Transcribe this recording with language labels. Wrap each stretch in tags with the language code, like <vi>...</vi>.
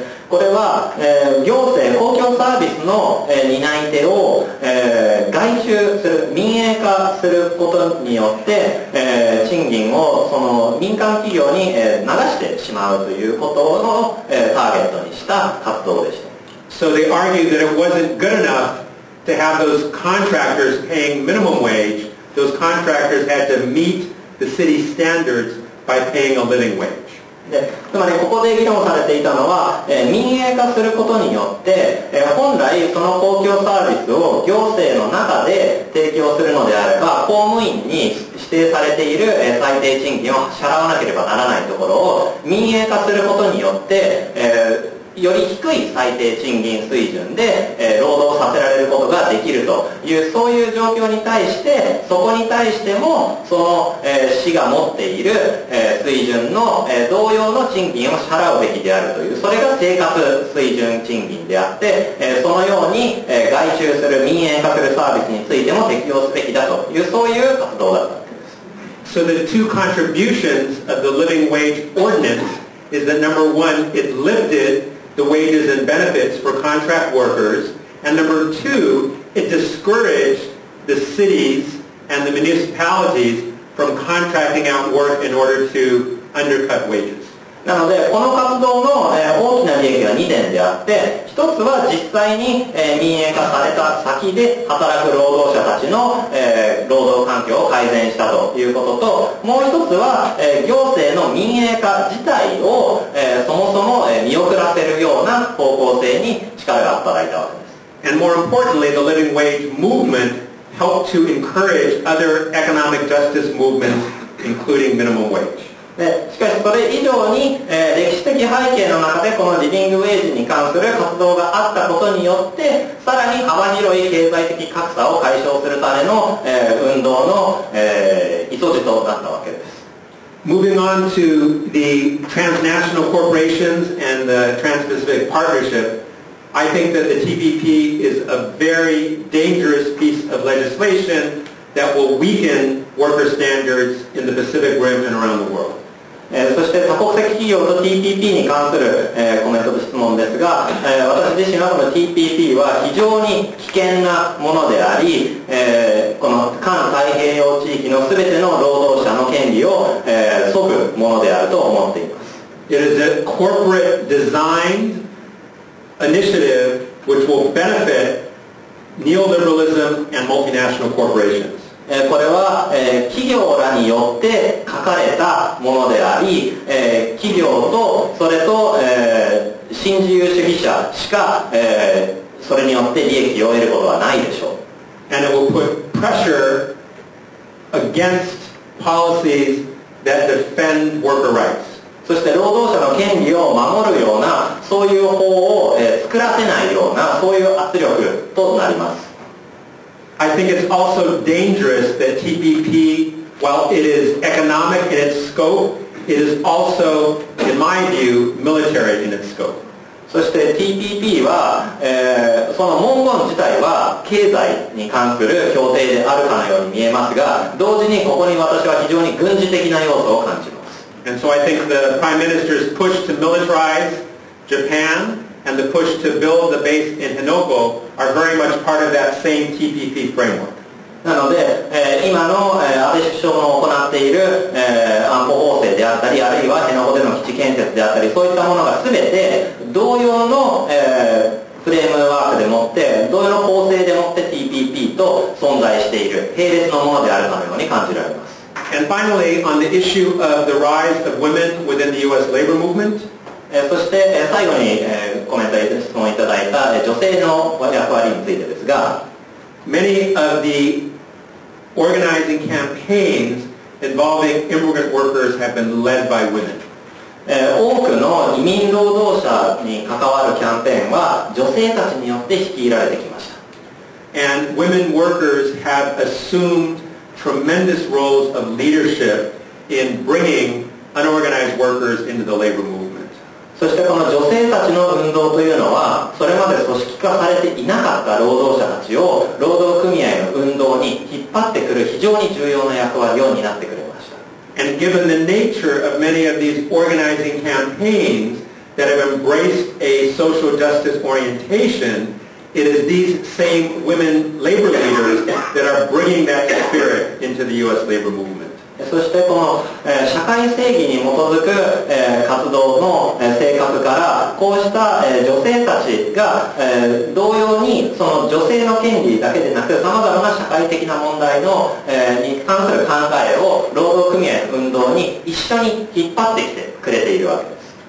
<ja>これは、行政公共サービスの、担い手を、外注する民営化することによって、賃金をその民間企業に、流してしまうということを、ターゲットにした活動でした。</ja> <en>So they argued that it wasn't good enoughto have those contractors paying minimum wage, those contractors had to meet the city standards by paying a living wage.</en> <ja>つまりここで議論されていたのは、民営化することによって、本来その公共サービスを行政の中で提供するのであれば、公務員に指定されている、最低賃金を支払わなければならないところを民営化することによって、より低い最低賃金水準で、労働させられることができるというそういう状況に対してそこに対してもその、市が持っている、水準の、同様の賃金を支払うべきであるというそれが生活水準賃金であって、そのように、外注する民営化するサービスについても適用すべきだというそういう活動だったわけです。</ja> <en>So the two contributions of the living wage ordinance is that number one, it lifted the wages and benefits for contract workers, and number two, it discouraged the cities and the municipalities from contracting out work in order to undercut wages.</en> <ja>なので、この活動の大きな利益は2点であって、1つは実際に民営化された先で働く労働者たちの労働環境を改善したということと、もう1つは行政の民営化自体をそもそも見送らせるような方向性に力が働いたわけです。</ja> <en>And more importantly, the living wage movement helped to encourage other economic justice movements, including minimum wage.</en> <ja>でしかしそれ以上に、歴史的背景の中でこのリビングウェイジに関する活動があったことによってさらに幅広い経済的格差を解消するための、運動の、糸口となったわけです</ja> <en>Moving on to the transnational corporations and the trans-pacific partnership I think that the TPP is a very dangerous piece of legislation that will weaken worker standards in the Pacific Rim and around the world</en> <ja>そして多国籍企業と TPP に関するコメントと質問ですが、私自身はこの TPP は非常に危険なものであり、この環太平洋地域の全ての労働者の権利を削ぐものであると思っています。</ja> <en>It is a corporate designed initiative which will benefit neoliberalism and multinational corporations。</en> <ja>これは企業らによって書かれたものであり、企業とそれと新自由主義者しかそれによって利益を得ることはないでしょう。</ja> <en>And it will put pressure against policies that defend worker rights。</en> <ja>そして労働者の権利を守るようなそういう法を作らせないようなそういう圧力となります。</ja> <en>I think it's also dangerous that TPP, while it is economic in its scope, it is also, in my view, military in its scope.</en> <ja>そして TPP は、その文言自体は経済に関する協定であるかのように見えますが、同時にここに私は非常に軍事的な要素を感じます。</ja> <en>And so I think the Prime Minister's push to militarize Japan,and the push to build the base in Hinoko are very much part of that same TPP framework.</en> <ja>なので、今の、安倍首相の行っている、安保法制であったり、あるいは辺野古での基地建設であったり、そういったものが全て同様の、フレームワークでもって、同様の構成でもって TPP と存在している、並列のものであるかのように感じられます。</ja> <en>And finally, on the issue of the rise of women within the US labor movement,</en> <ja>そして最後にコメント質問いただいた女性の役割についてですが、</ja> <en>Many of the organizing campaigns involving immigrant workers have been led by women.</en> <ja>多くの移民労働者に関わるキャンペーンは女性たちによって率いられてきました。</ja> <en>And women workers have assumed tremendous roles of leadership in bringing unorganized workers into the labor movement.</en> <ja>そしてこの女性たちの運動というのは、それまで組織化されていなかった労働者たちを労働組合の運動に引っ張ってくる非常に重要な役割を担ってくれました。</ja> <en>And given the nature of many of these organizing campaigns that have embraced a social justice orientation, it is these same women labor leaders that are bringing that spirit into the U.S. labor movement.</en> <ja>そしてこの、社会正義に基づく、活動の、性格からこうした、女性たちが、同様にその女性の権利だけでなくさまざまな社会的な問題の、に関する考えを労働組合運動に一緒に引っ張ってきてくれているわけです。</ja>